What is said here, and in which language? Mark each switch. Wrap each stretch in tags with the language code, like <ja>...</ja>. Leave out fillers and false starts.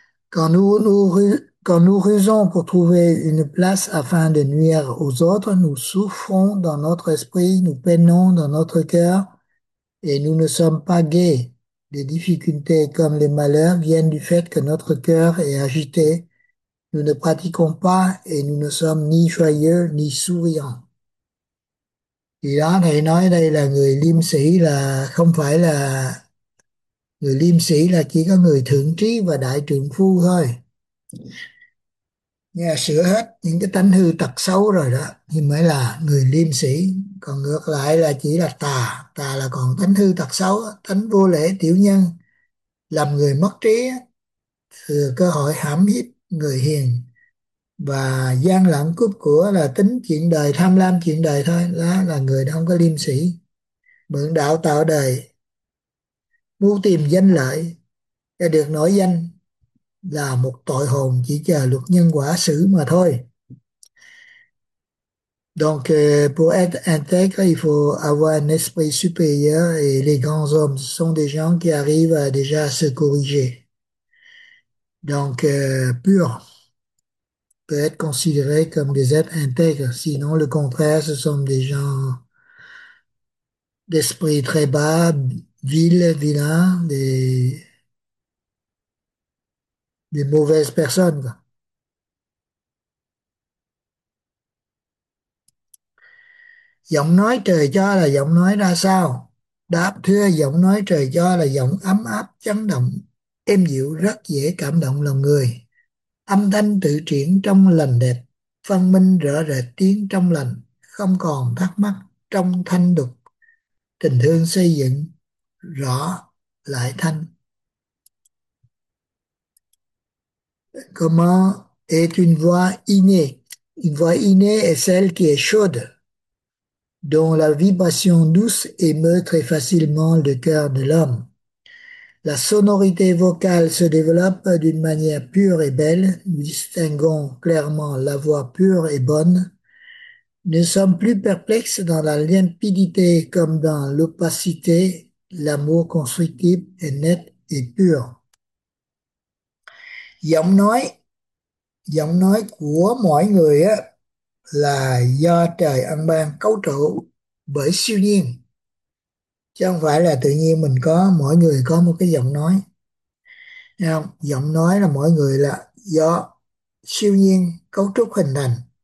<fr>Quand nous rusons pour trouver une place afin de nuire aux autres, nous souffrons dans notre esprit, nous peinons dans notre cœur. Et nous ne sommes pas gais. Les difficultés comme les malheurs viennent du fait que notre cœur est agité. Nous ne pratiquons pas et nous ne sommes ni joyeux ni souriants.</fr> <vi>Thì đó, thầy nói đây là người liêm sĩ là không phải là người liêm sĩ là chỉ có người thượng trí và đại trượng phu thôi. Nghe sửa hết những cái tánh hư tật xấu rồi đó thì mới là người liêm sĩ. Còn ngược lại là chỉ là tà, tà là còn tánh hư tật xấu, tánh vô lễ tiểu nhân, làm người mất trí, thừa cơ hội hãm hiếp người hiền và gian lận cướp của là tính chuyện đời, tham lam chuyện đời thôi, đó là người đó không có liêm sĩ. Mượn đạo tạo đời, mưu tìm danh lợi để được nổi danh là một tội hồn chỉ chờ luật nhân quả xử mà thôi.</vi> <fr>Donc, pour être intègre, il faut avoir un esprit supérieur et les grands hommes, ce sont des gens qui arrivent à déjà à se corriger. Donc, pur peut être considéré comme des êtres intègres. Sinon, le contraire, ce sont des gens d'esprit très bas, vilains, des mauvaises personnes.</fr> <vi>Giọng nói trời cho là giọng nói ra sao? Đáp thưa, giọng nói trời cho là giọng ấm áp, chấn động, êm dịu, rất dễ cảm động lòng người. Âm thanh tự chuyển trong lành đẹp, phân minh rõ rệt tiếng trong lành, không còn thắc mắc, trong thanh đục, tình thương xây dựng, rõ lại thanh.</vi> <fr>Comment est une voix innée? Une voix innée est celle qui est chaude, dont la vibration douce émeut très facilement le cœur de l'homme. La sonorité vocale se développe d'une manière pure et belle. Nous distinguons clairement la voix pure et bonne. Nous ne sommes plus perplexes dans la limpidité comme dans l'opacité. L'amour constructible est net et pur.</fr> <vi>Giọng nói của mỗi người á là do trời ân ban cấu trúc bởi siêu nhiên, chứ không phải là tự nhiên mình có, mỗi người có một cái giọng nói. Thấy không? Giọng nói là mỗi người là do siêu nhiên cấu trúc hình thành.</vi>